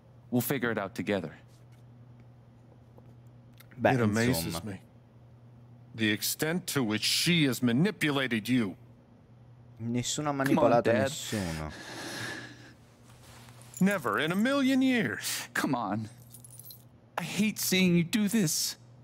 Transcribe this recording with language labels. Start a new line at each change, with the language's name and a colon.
English: We'll figure it out together.
Italian: Beh,
English: it amazes me. The extent to which she has manipulated you.
Italian: Nessuno ha manipolato nessuno.
English: Never in a million years. Come on. I hate seeing you do this.